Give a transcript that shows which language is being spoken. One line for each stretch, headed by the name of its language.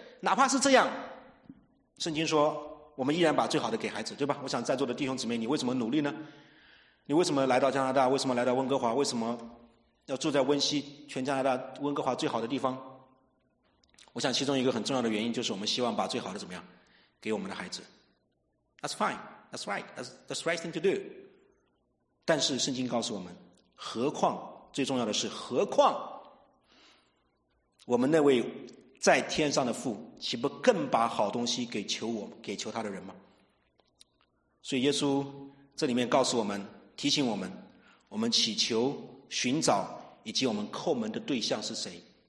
Chinese: 哪怕是这样，圣经说我们依然把最好的给孩子，对吧？我想在座的弟兄姊妹，你为什么努力呢？你为什么来到加拿大？为什么来到温哥华？为什么要住在温西，全加拿大温哥华最好的地方？我想其中一个很重要的原因就是我们希望把最好的怎么样给我们的孩子。
English: That's fine, that's right, that's the right thing to do.
Chinese: 但是圣经告诉我们，何况，最重要的是何况，我们那位在天上的父岂不更把好东西给求我，给求他的人吗？所以耶稣这里面告诉我们，提醒我们，我们祈求寻找以及我们叩门的对象是谁。